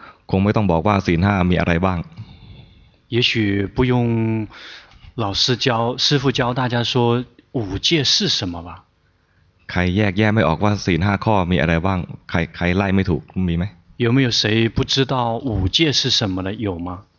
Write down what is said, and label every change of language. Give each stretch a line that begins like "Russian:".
Thai: คงไม่ต้องบอกว่าศีล5มีอะไรบ้าง
Chinese: 也许不用老师教师父教大家说五戒是什么吧
Thai: ใครแยกแยะไม่ออกว่าศีล5ข้อมีอะไรบ้างใครไล่ไม่ถูกมีไหม
Chinese: 有没有谁不知道五戒是什么的有吗